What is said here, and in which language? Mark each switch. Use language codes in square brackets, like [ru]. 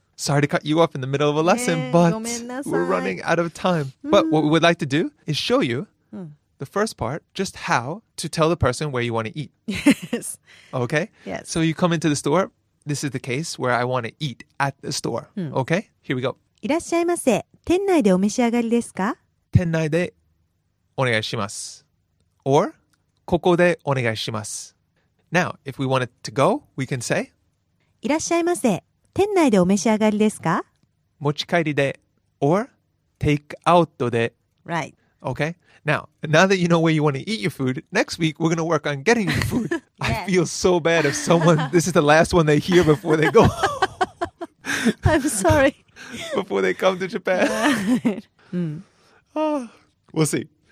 [en] Sorry to cut you off in the middle of a lesson, but we're running out of time. But what we would like to do is show you the first part, just how to tell the person where you want to eat. Yes. Okay? Yes. So you come into the store... This is the case where I want to eat at the store. Okay? Here we go. [ja] いらっしゃいませ。店内でお召し上がりですか? 店内でお願いします。 Or, ここでお願いします。 [en] Now, if we wanted to go, we can say, [ja] いらっしゃいませ。店内でお召し上がりですか? 持ち帰りで [en] or take out [ja] で [en] Right. Okay? Now that you know where you want to eat your food, next week we're going to work on getting your food. I feel so bad if someone, this is the last one they hear before they go. I'm sorry. Before they come to Japan. Oh, we'll see.